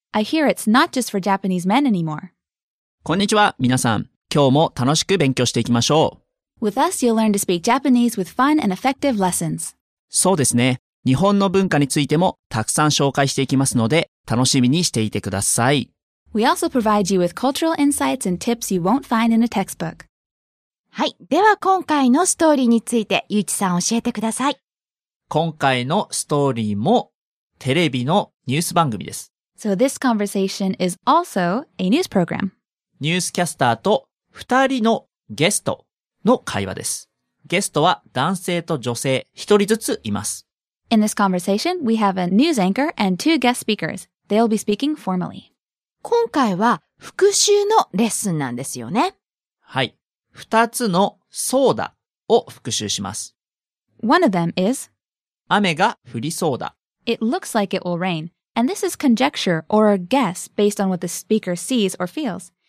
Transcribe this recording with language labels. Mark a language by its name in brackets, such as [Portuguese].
[English] I hear it's not just for Japanese men anymore. [Japanese] こんにちは、皆さん。今日も楽しく勉強していきましょう。 [English] With us, you'll learn to speak Japanese with fun and effective lessons. [Japanese] そうですね。日本の文化についてもたくさん紹介していきますので、楽しみにしていてください。 [English] We also provide you with cultural insights and tips you won't find in a textbook. [Japanese] はい。では今回のストーリーについて、ゆういちさん教えてください。今回のストーリーもテレビのニュース番組です。 [English] So this conversation is also a news program. [Japanese] ニュースキャスターと二人のゲストの会話です。ゲストは男性と女性一人ずついます。 [English] In this conversation, we have a news anchor and two guest speakers. They'll be speaking formally. [Japanese] 今回は復習のレッスンなんですよね。はい。二つのそうだを復習します。 [English] One of them is [Japanese] 雨が降りそうだ。 [English] It looks like it will rain. And this is conjecture or a guess based on what the speaker sees or feels.